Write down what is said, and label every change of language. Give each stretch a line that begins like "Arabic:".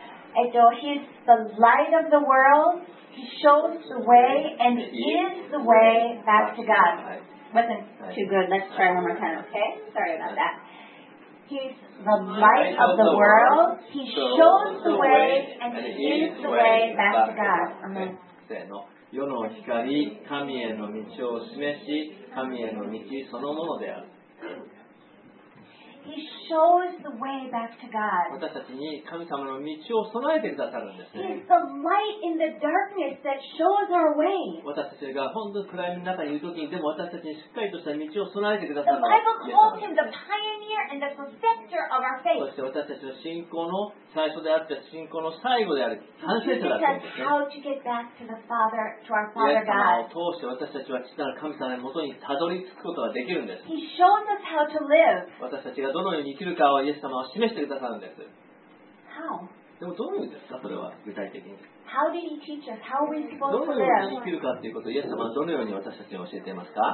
English: He is the light of the world. He shows the way and is the way back to God. Wasn't too good. Let's try one more time, okay? Sorry about that. He is the light of the world. He shows the way and is the way back to God. Amen.
Japanese: 世の光、神への道を示し、神への道そのものである。
English: He shows the way back to God.
Japanese: 私たちに神様の道を備えてくださるんですね。
English: He is the light in the darkness that shows our way.
Japanese: 私たちが本当に暗闇の中にいるときに、でも私たちにしっかりとした道を備えてくださる。
English: The Bible calls him the pioneer and the perfecter of our faith.
Japanese: そして私たちの信仰の最初であって、信仰の最後である、完成者だったんですね。
English: He teaches us how to get back to the Father, to our Father God.
Japanese: 通して私たちは父なる神様の元にたどり着くことができるんです。
English: He shows us how to live.
Japanese: 私たちがどのように生きるかをイエス様は示してくださるんです。
English: How?
Japanese: でもどういうんですか、それは具体的に。
English: How did he teach us? How are we supposed to live?
Japanese: どのように生きるかということをイエス様はどのように私たちに教えていますか。